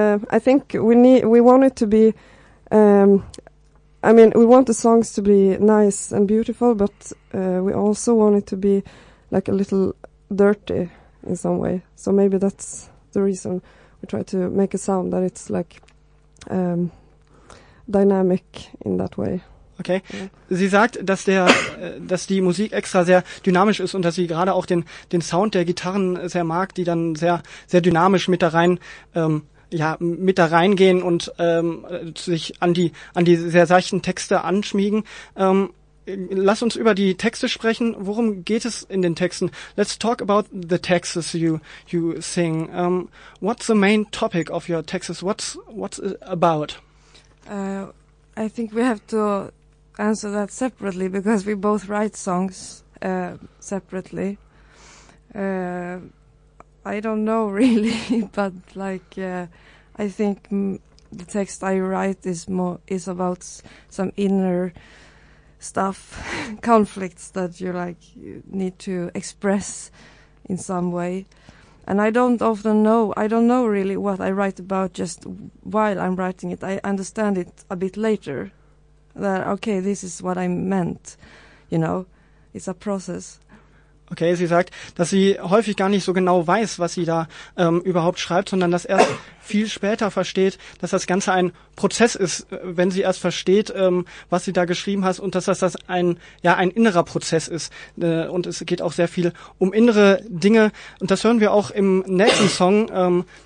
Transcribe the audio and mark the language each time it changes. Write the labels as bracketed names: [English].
[English] I think we want it to be, we want the songs to be nice and beautiful, but we also want it to be like a little dirty in some way. So maybe that's the reason we try to make a sound that it's like dynamic in that way. [German] Okay, sie sagt, dass die Musik extra sehr dynamisch ist und dass sie gerade auch den Sound der Gitarren sehr mag, die dann sehr sehr dynamisch mit da rein mit da reingehen und sich an die sehr seichten Texte anschmiegen. Lass uns über die Texte sprechen. Worum geht es in den Texten? [English] Let's talk about the texts you sing. What's the main topic of your texts? What's it about? I think we have to answer that separately because we both write songs separately. I don't know really, but like I think the text I write is about some inner stuff, conflicts that you like need to express in some way. And I don't know really what I write about just while I'm writing it. I understand it a bit later. That, okay, this is what I meant, you know, it's a process. [German] Okay, sie sagt, dass sie häufig gar nicht so genau weiß, was sie da überhaupt schreibt, sondern dass erst viel später versteht, dass das Ganze ein Prozess ist, wenn sie erst versteht, was sie da geschrieben hat und dass das ein innerer Prozess ist. Und es geht auch sehr viel um innere Dinge. Und das hören wir auch im nächsten Song.